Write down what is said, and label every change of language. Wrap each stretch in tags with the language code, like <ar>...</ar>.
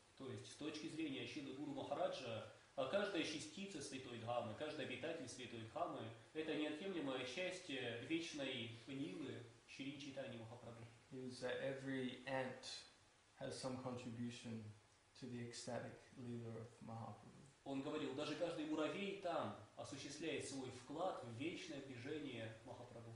<ru>То есть, с точки зрения Шрилы Гуру Махараджа, каждая частица Святой Дхамы, каждый обитатель Святой Дхамы – это неотъемлемое счастье вечной лилы Шри Чайтаньи Махапрабху.</ru> <en>He was that every ant has some contribution to the ecstatic lila of Mahaprabhu.</en> <ru>Он говорил, даже каждый муравей там осуществляет свой вклад в вечное движение Махапрабху.</ru>